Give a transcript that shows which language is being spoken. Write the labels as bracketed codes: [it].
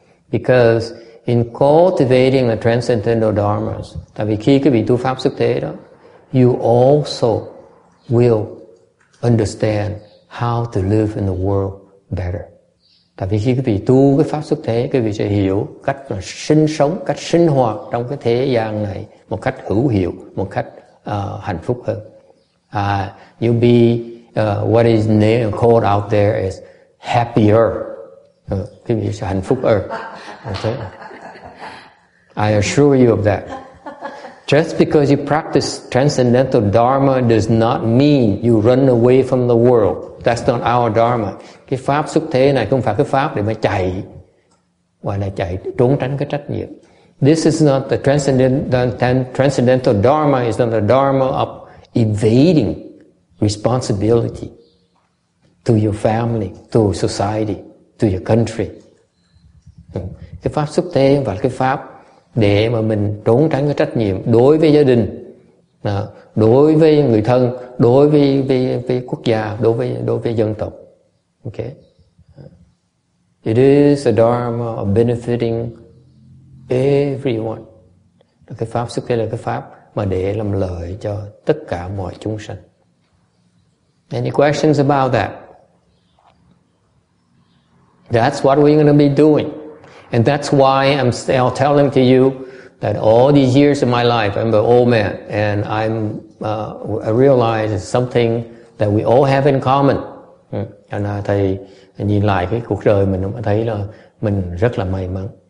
[en] Because in cultivating the transcendental dharmas, [vi] tại vì khi cái vị tu pháp xuất thế đó, [en] you also will understand how to live in the world better. [vi] Tại vì khi quý vị tu cái pháp xuất thế, quý vị sẽ hiểu cách mà sinh sống, cách sinh hoạt trong cái thế gian này một cách hữu hiệu, một cách hạnh phúc hơn. [en] You'll be what is named called out there is happier. [vi] Quý vị sẽ hạnh phúc hơn. [en] Okay. I assure you of that. Just because you practice transcendental dharma does not mean you run away from the world. That's not our dharma. [vi] Cái pháp xuất thế này không phải cái pháp để mà chạy, gọi là chạy trốn tránh cái trách nhiệm. [en] This is not the transcendental dharma, is not the dharma of evading responsibility to your family, to society, to your country. [vi] Cái pháp xuất thế và cái pháp để mà mình trốn tránh cái trách nhiệm đối với gia đình, đối với người thân, đối với quốc gia, đối với dân tộc. Okay. [en] It is a dharma of benefiting everyone. [vi] Cái pháp xuất thế là cái pháp mà để làm lợi cho tất cả mọi chúng sanh. [en] Any questions about that? That's what we're going to be doing. And that's why I'm telling to you that all these years of my life, I'm an old man, and I'm, I realize it's something that we all have in common. [vi] Cho nên thầy nhìn lại cái cuộc đời mình mà thấy là mình rất là may mắn.